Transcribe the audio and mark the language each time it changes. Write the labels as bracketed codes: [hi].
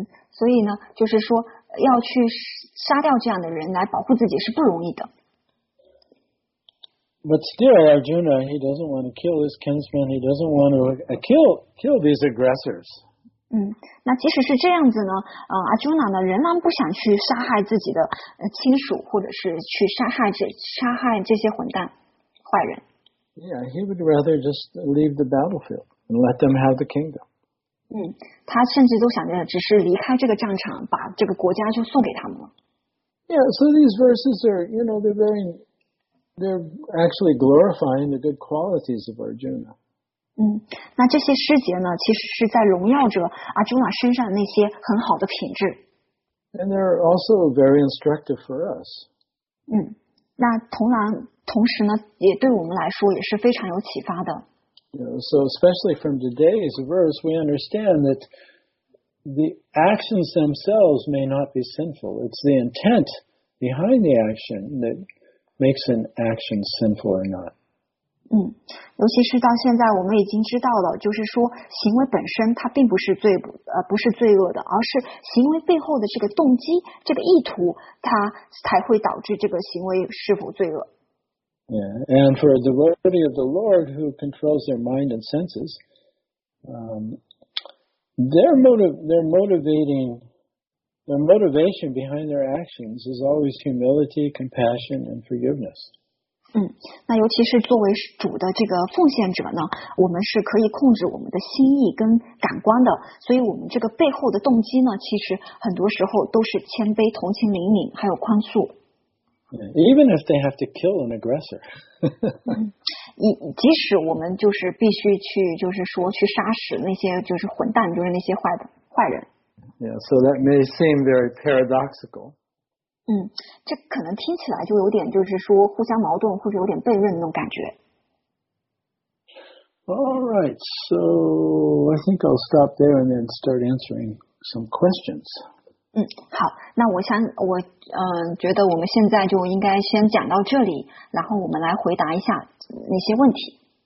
[zh] 所以呢，就是说要去杀掉这样的人来保护自己是不容易的。 [en] But still, Arjuna, he doesn't want to kill his kinsmen. He doesn't want to kill these aggressors. [zh] 那即使是这样子呢，阿朱纳呢仍然不想去杀害自己的亲属，或者是去杀害这些混蛋坏人。 [en] Yeah, he would rather just leave the battlefield and let them have the kingdom. [zh] 他甚至都想着只是离开这个战场，把这个国家就送给他们了。 [en] Yeah, so these verses are, you know, they're actually glorifying the good qualities of Arjuna. [zh] 那这些诗节呢，其实是在荣耀着阿朱纳身上那些很好的品质。 [en] And they're also very instructive for us. [zh] 那同时呢，也对我们来说也是非常有启发的。 [en] You know, so especially from today's verse, we understand that the actions themselves may not be sinful. It's the intent behind the action that makes an action sinful or not. [zh] 尤其是到现在我们已经知道了，就是说行为本身它并不是罪恶的，而是行为背后的这个动机，这个意图，它才会导致这个行为是否罪恶。 [en] Yeah, and for a devotee of the Lord who controls their mind and senses, their motivation behind their actions is always humility, compassion, and forgiveness. [zh] 那尤其是作为主的这个奉献者呢，我们是可以控制我们的心意跟感官的，所以我们这个背后的动机呢，其实很多时候都是谦卑、同情、怜悯，还有宽恕。 [en] Even if they have to kill an aggressor. [zh] 即使我们就是必须去，就是说去杀死那些就是混蛋，就是那些坏人。 [en] Yeah, so that may seem very paradoxical. [zh] 这可能听起来就有点就是说互相矛盾，或者有点悖论那种感觉。 [en] All right, so I think I'll stop there and then start answering some questions. [zh] 好，那觉得我们现在就应该先讲到这里，然后我们来回答一下那些问题。